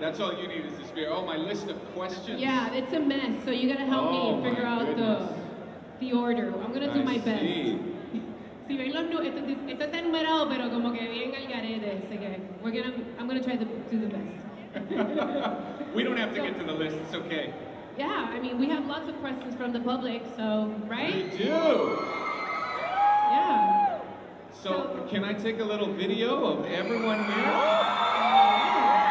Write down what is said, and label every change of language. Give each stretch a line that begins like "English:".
English: That's all you need is the spirit. Oh, my list of questions. Yeah, it's a mess. So you gotta help me figure out the order. I'm gonna do my best.
Spanish: Si ven los números, esto está numerado, pero como que bien al garete.
English: I'm gonna try to do the best. We don't have to get to the list. It's okay. Yeah, I mean, we have lots of questions from the public, so, right? We do! Yeah. So, can I take a little video of everyone here? Yeah.